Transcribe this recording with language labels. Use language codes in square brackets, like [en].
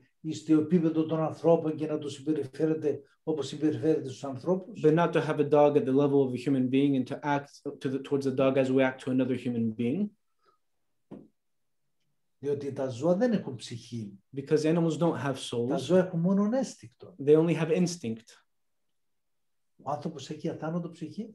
[el] Στο επίπεδο των ανθρώπων και να του συμπεριφέρεται όπως συμπεριφέρεται στους ανθρώπους. [en] But not to have a dog at the level of a human being and to act towards the dog as we act to another human being. [el] Διότι τα ζώα δεν έχουν ψυχή. [en] Because animals don't have souls. [el] Τα ζώα έχουν μόνο ένστικτο. [en] They only have instinct. [el] Ο άνθρωπος έχει αθάνατο ψυχή.